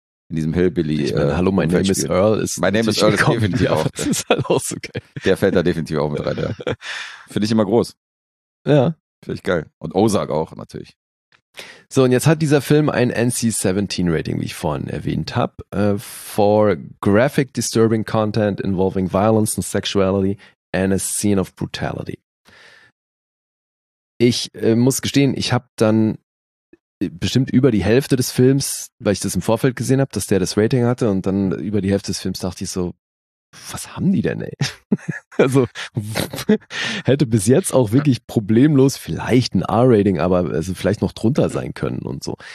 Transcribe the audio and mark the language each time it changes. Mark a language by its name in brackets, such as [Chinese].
[German] In diesem Hillbilly. Ich meine, hallo, mein Name is Earl. Mein Name is Earl ist definitiv auch. Das ist halt auch so geil. Der fällt da definitiv auch mit rein, ja. Finde ich immer groß. Ja. Finde ich geil. Und Ozark auch, natürlich. So, und jetzt hat dieser Film ein NC-17-Rating, wie ich vorhin erwähnt habe. [English] For graphic disturbing content involving violence and sexuality and a scene of brutality. [German] Ich muss gestehen, ich habe dann bestimmt über die Hälfte des Films, weil ich das im Vorfeld gesehen habe, dass der das Rating hatte, und dann über die Hälfte des Films dachte ich so, was haben die denn, ey? Also hätte bis jetzt auch wirklich problemlos vielleicht ein R-Rating, aber also vielleicht noch drunter sein können und so.